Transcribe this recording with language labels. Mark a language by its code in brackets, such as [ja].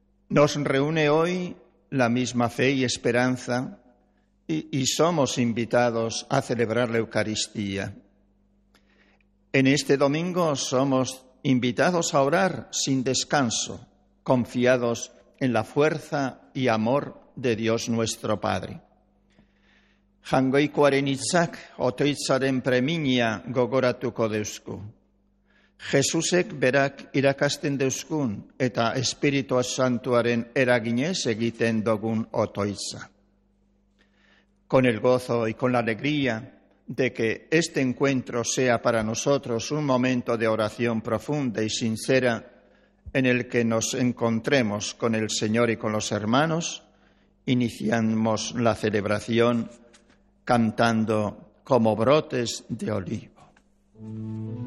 [es] Nos reúne hoy la misma fe y esperanza y somos invitados a celebrar la Eucaristía. En este domingo somos invitados a orar sin descanso, confiados en la fuerza y amor de Dios nuestro Padre. [eu] Jangoikoaren hitzak otoitzaren premina gogoratuko deusku. Jesusek berak irakasten deuskun eta Espiritu Santuaren eraginez egiten dugun otoitza. [es] Con el gozo y con la alegría de que este encuentro sea para nosotros un momento de oración profunda y sincera en el que nos encontremos con el Señor y con los hermanos, iniciamos la celebración cantando como brotes de olivo.